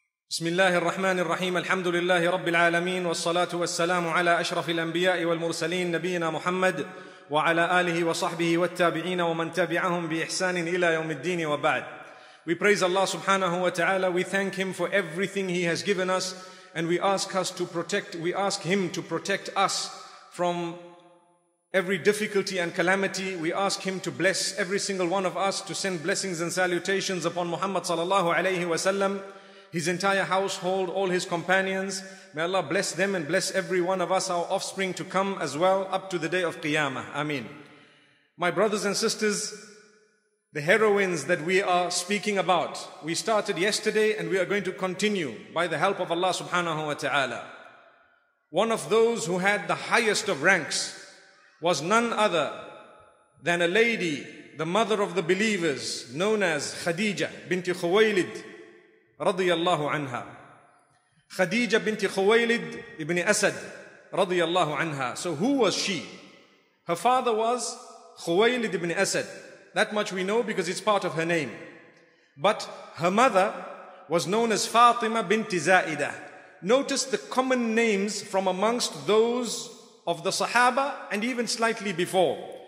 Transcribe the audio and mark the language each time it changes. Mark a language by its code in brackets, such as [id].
[ar] بسم الله الرحمن الرحيم. الحمد لله رب العالمين، والصلاة والسلام على أشرف الأنبياء والمرسلين نبينا محمد وعلى آله وصحبه والتابعين ومن تبعهم بإحسان إلى يوم الدين وبعد. [en] We praise Allah subhanahu wa ta'ala. We thank Him for everything He has given us, and we ask Him to protect us from every difficulty and calamity. We ask Him to bless every single one of us, to send blessings and salutations upon Muhammad sallallahu alayhi wa sallam, his entire household, all his companions. May Allah bless them and bless every one of us, our offspring to come as well, up to the day of Qiyamah. Ameen. My brothers and sisters, the heroines that we are speaking about, we started yesterday and we are going to continue by the help of Allah subhanahu wa ta'ala. One of those who had the highest of ranks was none other than a lady, the mother of the believers, known as Khadeejah binti Khuwaylid [ar] رضي الله عنها. خديجة بنت خويلد ابن أسد رضي الله عنها. [en] So who was she? Her father was خويلد ابن أسد. That much we know because it's part of her name. But her mother was known as فاطمة بنت زائدة. Notice the common names from amongst those of the Sahaba and even slightly before.